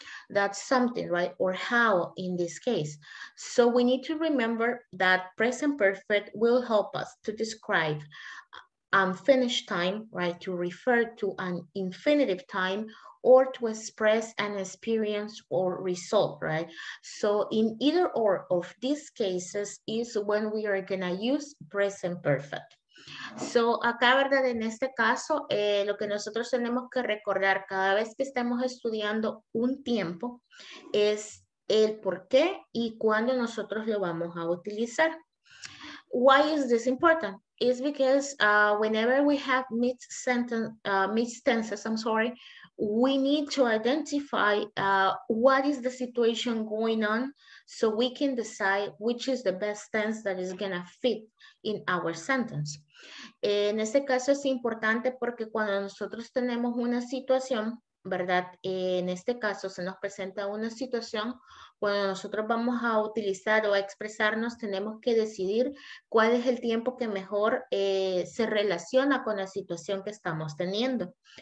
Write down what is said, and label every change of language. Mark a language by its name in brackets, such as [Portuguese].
[English] That's something, right? Or how in this case. So we need to remember that present perfect will help us to describe unfinished time, right? To refer to an infinitive time or to express an experience or result, right? So in either or of these cases is when we are gonna use present perfect. [Spanish] So, acá, ¿verdad? En este caso, lo que nosotros tenemos que recordar cada vez que estemos estudiando un tiempo es el por qué y cuándo nosotros lo vamos a utilizar. [English] Why is this important? It's because whenever we have mixed tenses, I'm sorry, we need to identify what is the situation going on so we can decide which is the best tense that is going to fit in our sentence. [Spanish] En este caso es importante porque cuando nosotros tenemos una situación, ¿verdad? En este caso se nos presenta una situación, cuando nosotros vamos a utilizar o a expresarnos, tenemos que decidir cuál es el tiempo que mejor se relaciona con la situación que estamos teniendo.